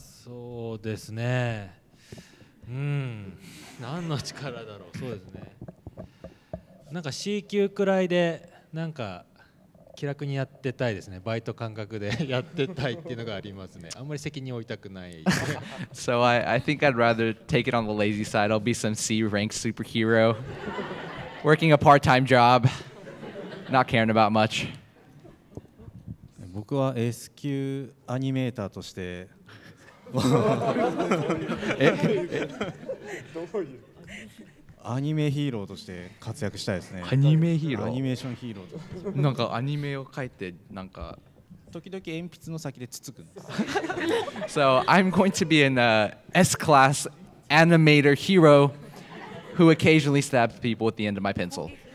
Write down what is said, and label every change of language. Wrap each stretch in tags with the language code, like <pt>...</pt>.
<ja>そうですね、うん、何の力だろう。そうですね、なんか C 級くらいでなんか気楽にやってたいですね。バイト感覚でやってたいっていうのがありますね。あんまり責任を負いたくない。</ja> <en>So I think I'd rather take it on the lazy side. I'll be some C rank superhero, working a part time job, not caring about much.</en> <ja>僕は S 級アニメーターとして。どういう。アニメヒーローとして活躍したいですね。アニメヒーロー、アニメーションヒーローとなんかアニメを描いて、なんか時々鉛筆の先でつつくんです</ja> <en>So I'm going to be an S class animator hero who occasionally stabs people at the end of my pencil.</en>